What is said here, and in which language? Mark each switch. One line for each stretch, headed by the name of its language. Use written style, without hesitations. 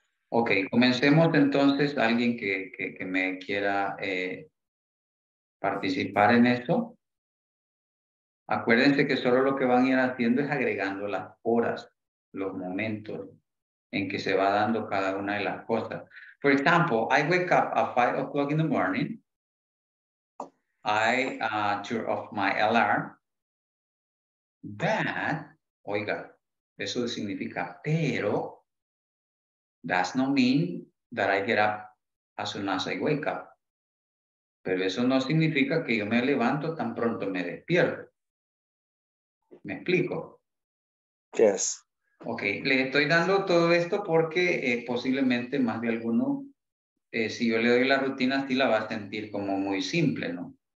Spanish: Ok, comencemos entonces, alguien que me quiera participar en esto. Acuérdense que solo lo que van a ir haciendo es agregando las horas, los momentos en que se va dando cada una de las cosas.
English: For example, I wake up at 5 o'clock in the morning. I turn off my alarm. That,
Spanish: oiga, eso significa, pero
English: does not mean that I get up as soon as I wake up.
Spanish: Pero eso no significa que yo me levanto tan pronto me despierto. ¿Me explico?
English: Yes.
Spanish: Ok, le estoy dando todo esto porque posiblemente más de alguno, si yo le doy la rutina, sí la va a sentir como muy simple, ¿no?